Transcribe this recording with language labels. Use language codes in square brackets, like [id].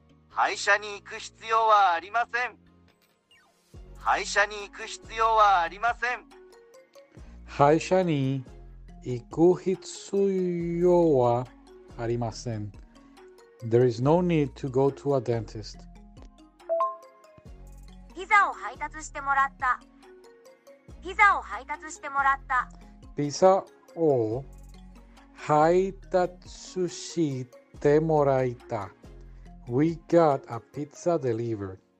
[ja] 歯医者に行く必要はありません。歯医者に行く必要はありません。歯医者に行く必要はありません。 [en] There is no need to go to a dentist. [ja] ピザを配達してもらった。ピザを配達してもらった。ピザを配達してもらった。 [en] We got a pizza delivered.